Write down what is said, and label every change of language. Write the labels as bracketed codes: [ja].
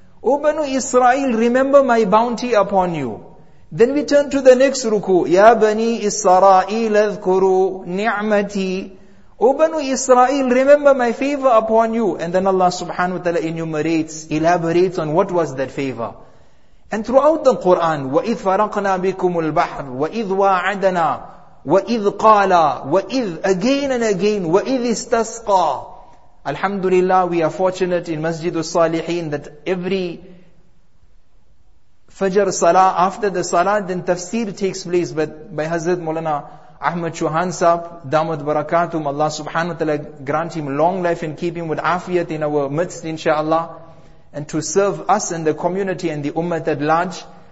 [en] O Banu Israel, remember my bounty upon you. Then we turn to the next ruku. [ar] Ya Bani Israel, adhkuru ni'mati. [en] O Banu Israel, remember my favor upon you. And then Allah subhanahu wa ta'ala elaborates on what was that favor. And throughout the Quran, [ar] وَإِذْ فَرَقْنَا بِكُمُ الْبَحْرِ وَإِذْ وَاعَدَنَا وَإِذْ قَالَا وَإِذْ, [en] again and again, [ar] وَإِذْ اسْتَسْقَى. [en] Alhamdulillah, we are fortunate in Masjid al-Salihin that every Fajr Salah, after the Salah, then tafsir takes place by Hazrat Mawlana Ahmad Chuhan Sahib, Damat Barakatum, Allah subhanahu wa ta'ala grant him long life and keep him with afiyat in our midst, inshaAllah, and to serve us and the community and the ummah at large.